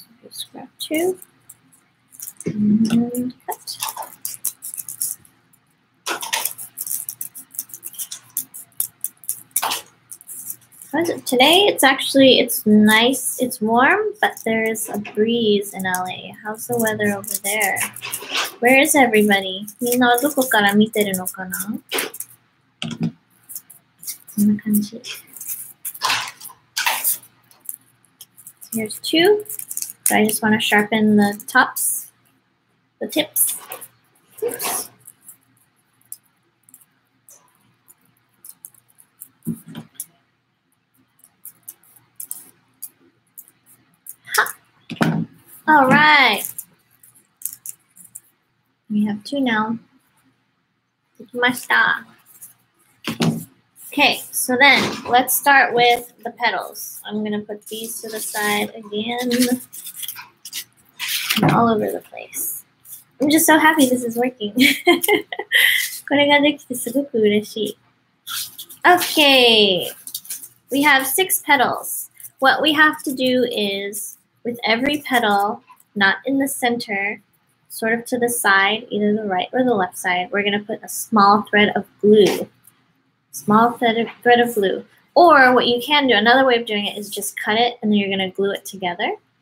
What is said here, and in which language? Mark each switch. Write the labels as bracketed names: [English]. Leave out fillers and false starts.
[English] Scrap two. And cut. What is it? Today it's actually, it's nice, it's warm, but there's a breeze in LA. How's the weather over there? Where is everybody? [Japanese] みんなどこから見てるのかな? こんな感じ。 [English] Here's two. So I just want to sharpen the tops, the tips. Oops. All right, we have two now. [Japanese] Dekimashita. [English] Okay, so then let's start with the petals. I'm gonna put these to the side again. I'm all over the place. I'm just so happy this is working. [Japanese] これができてすごく嬉しい。 [English] Okay, we have six petals. What we have to do is with every petal,Not in the center, sort of to the side, either the right or the left side, we're going to put a small thread of glue. Small thread of glue. Or what you can do, another way of doing it is just cut it and then you're going to glue it together.